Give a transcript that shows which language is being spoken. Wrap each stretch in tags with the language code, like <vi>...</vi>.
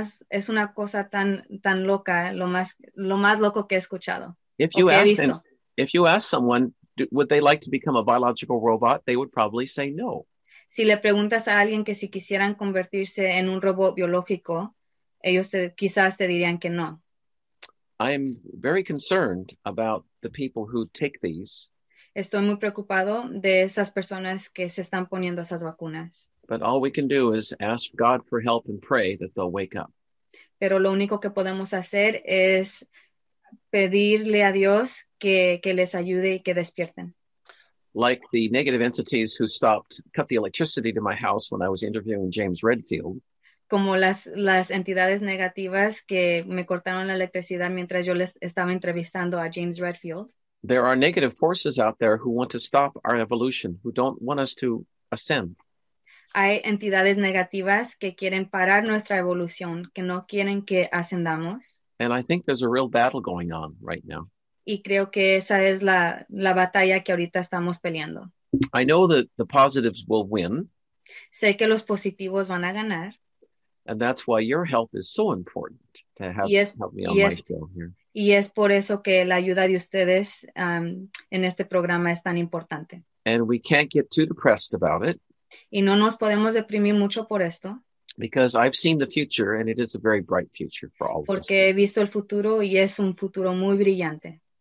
<es>Es una cosa tan tan loca, lo más loco que he escuchado.</es> <en>If you ask someone, would they like to become a biological robot? They would probably say no.</en> <es>Si le preguntas a alguien que si quisieran convertirse en un robot biológico, ellos quizás te dirían que no.</es> <en>I'm very concerned about the people who take these.</en> <es>Estoy muy preocupado de esas personas que se están poniendo esas vacunas.</es> <en>But all we can do is ask God for help and pray that they'll wake up.</en> <es>Pero lo único que podemos hacer es pedirle a Dios que les ayude y que despierten.</es> <en>Like the negative entities who cut the electricity to my house when I was interviewing James Redfield.</en> <es>Como las entidades negativas que me cortaron la electricidad mientras yo les estaba entrevistando a James Redfield.</es> <en>There are negative forces out there who want to stop our evolution, who don't want us to ascend.</en> <es>Hay entidades negativas que quieren parar nuestra evolución, que no quieren que ascendamos.</es> <en>And I think there's a real battle going on right now.</en> <es>Y creo que esa es la batalla que ahorita estamos peleando.</es> <en>I know that the positives will win.</en> <es>Sé que los positivos van a ganar.</es> <en>And that's why your help is so important to have help me on my show here.</en> <es>Y es por eso que la ayuda de ustedes en este programa es tan importante.</es> <en>And we can't get too depressed about it.</en> <es>Y no nos podemos deprimir mucho por esto.</es> <en>Because I've seen the future, and it is a very bright future for all of</en> <es>Porque</es> <en>us.</en> <es>Porque he visto el futuro, y es un futuro muy brillante.</es>